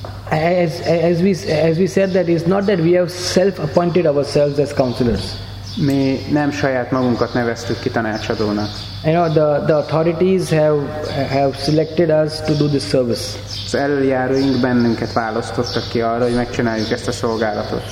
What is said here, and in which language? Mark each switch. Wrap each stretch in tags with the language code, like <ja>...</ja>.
<en>As we said, that it's not that we have self-appointed ourselves as counselors.</en> <hu>Mi nem saját magunkat neveztük ki tanácsadónak.</hu> <en>You know, the authorities have selected us to do this service.</en> <hu>Az elöljáróink bennünket választottak ki arra, hogy megcsináljuk ezt a szolgálatot.</hu>